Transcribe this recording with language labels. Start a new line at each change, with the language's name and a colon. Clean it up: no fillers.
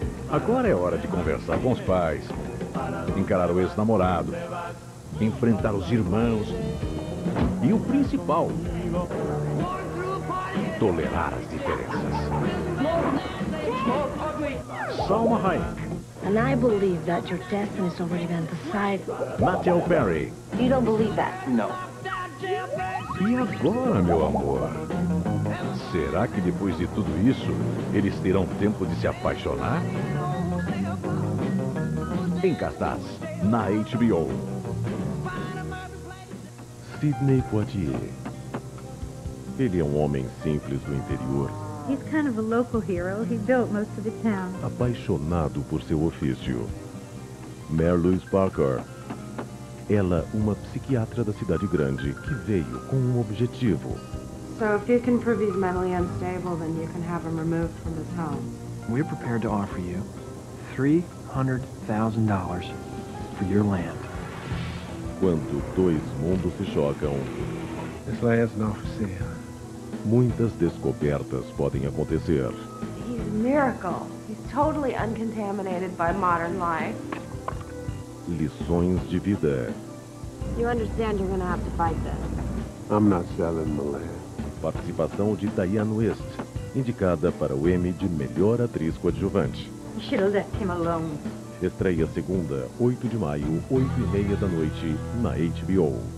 Portuguese: Agora é hora de conversar com os pais, encarar o ex-namorado, enfrentar os irmãos e o principal, tolerar as diferenças. Salma Hayek.
English: And I believe that your destiny has already been decided. Matthew Perry. You don't believe that? No.
Portuguese: E agora, meu amor? Será que depois de tudo isso, eles terão tempo de se apaixonar? Em cartaz, na HBO. Sidney Poitier. Ele é um homem simples do interior.
English: He's kind of a local hero. He built most of the town.
Portuguese: Apaixonado por seu ofício. Mary Louise Parker. Ela, uma psiquiatra da cidade grande, que veio com um objetivo.
English: So if you can prove he's mentally unstable, then you can have him removed from this home. We're prepared to offer you $300,000 for your land.
Portuguese: Quando dois mundos se chocam,
English: this land's not for sale.
Portuguese: Muitas descobertas podem acontecer.
English: He's a miracle. He's totally uncontaminated by modern life.
Portuguese: Lições de vida.
English: You understand you're gonna have to fight this. I'm not selling my land.
Portuguese: Participação de Diane West, indicada para o Emmy de Melhor Atriz Coadjuvante.
English: You should have left him alone.
Portuguese: Estreia segunda, 8 de maio, 8:30 da noite, na HBO.